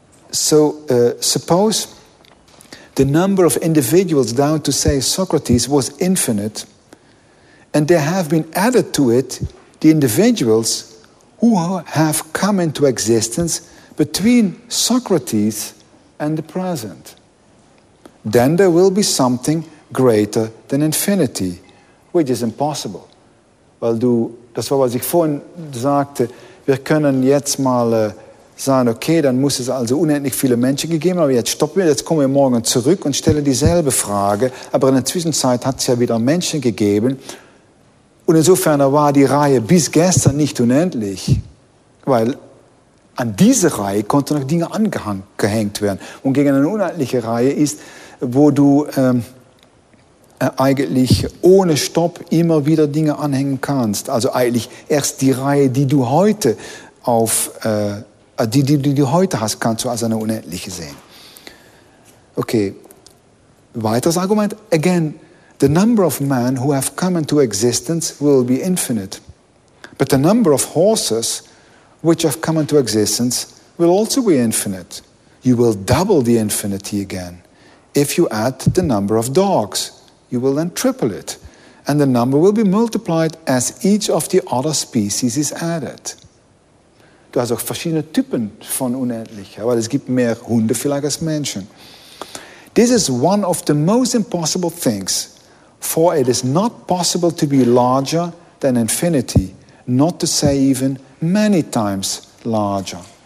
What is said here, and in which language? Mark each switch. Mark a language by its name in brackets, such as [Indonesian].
[English] So, suppose the number of individuals down to, say, Socrates was infinite, and there have been added to it the individuals who have come into existence between Socrates and the present. Then there will be something greater than infinity, which is impossible. [German] Weil du, das war, was ich vorhin sagte, wir können jetzt mal sagen, okay, dann muss es also unendlich viele Menschen gegeben haben, aber jetzt stoppen wir, jetzt kommen wir morgen zurück und stellen dieselbe Frage, aber in der Zwischenzeit hat es ja wieder Menschen gegeben und insofern war die Reihe bis gestern nicht unendlich, weil an diese Reihe konnten noch Dinge angehängt werden und gegen eine unendliche Reihe ist, wo du eigentlich ohne Stopp immer wieder Dinge anhängen kannst, also eigentlich erst die Reihe, die du heute auf die du heute hast, kannst du als eine unendliche sehen. Okay, weiteres Argument. [English] Again, the number of men who have come into existence will be infinite. But the number of horses which have come into existence will also be infinite. You will double the infinity again. If you add the number of dogs, you will then triple it. And the number will be multiplied as each of the other species is added. [German] Du hast auch verschiedene Typen von Unendlichkeit, weil es gibt mehr Hunde vielleicht als Menschen. [English] This is one of the most impossible things, for it is not possible to be larger than infinity, not to say even many times larger.